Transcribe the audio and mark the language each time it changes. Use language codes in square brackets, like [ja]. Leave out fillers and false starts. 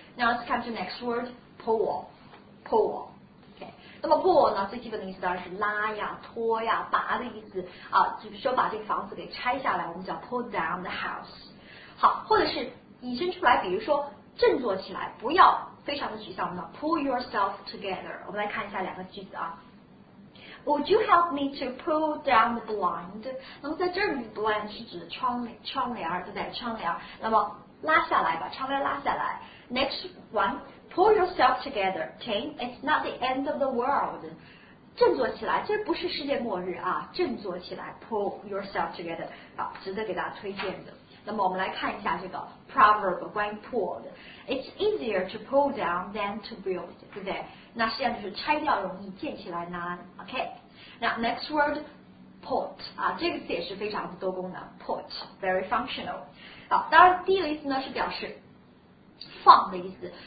[en] Now let's come to next word, pull. Pull. [zh] OK， 那么 pull 呢，最基本的意思当然是拉呀、拖呀、拔的意思啊。就是说把这个房子给拆下来，我们叫 [en] pull down the house。 [zh] 好，或者是引申出来，比如说振作起来，不要非常的沮丧，我们 [en] pull yourself together。 [zh] 我们来看一下两个句子啊。 [en] Would you help me to pull down the blind? [zh] 那么在这里 blind 是指窗帘，对不对？窗帘。那么拉下来吧，窗帘拉下来。 [en] Next one, pull yourself together, Tim. It's not the end of the world. [zh] 振作起来，这不是世界末日啊！振作起来 ， [en] pull yourself together， [zh] 啊，值得给大家推荐的。那么我们来看一下这个 proverb 关于 pull 的。 [en] It's easier to pull down than to build， [zh] 对不对？那实际上就是拆掉容易，建起来难。 OK， 那 [en] next word put [zh] 啊，这个词也是非常的多功能 ， [en] put very functional。 [zh] 好，当然第一个意思呢是表示放的意思。